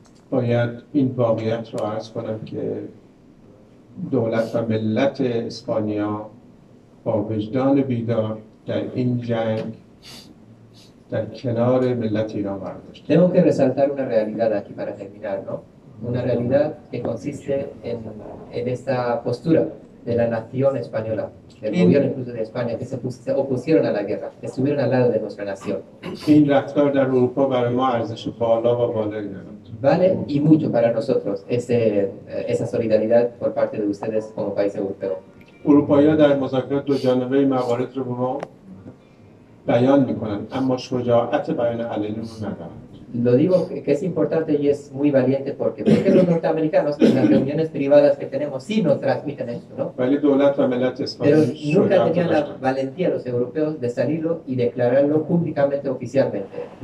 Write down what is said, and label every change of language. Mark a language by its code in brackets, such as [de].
[fa] باید این واقعیت رو عرض کنم که دولت و ملت اسپانیا با وجدان بیدار در این جنگ در کنار ملت ایران برداشت. [es] Tengo que resaltar una realidad aquí para terminar, ¿no? Una realidad que consiste en esta postura de la nación española, del gobierno incluso de España, que se opusieron a la guerra, que estuvieron al lado de nuestra nación. [fa] این رفتار در اروپا برای ما ارزش بالا و بالایی دارد. [es] Vale y mucho para nosotros esa solidaridad por parte de ustedes como país europeo. [fa] اروپایی‌ها در مذاکرات دو جانبه موارد رو ما بیان می‌کنند، اما شجاعت بیان علنی رو ندارند. [es] Lo digo que es importante y es muy valiente porque ¿por qué los norteamericanos en las reuniones privadas que tenemos sí nos transmiten esto, ¿no? Pero nunca tenían la valentía los europeos de salirlo y declararlo públicamente, oficialmente.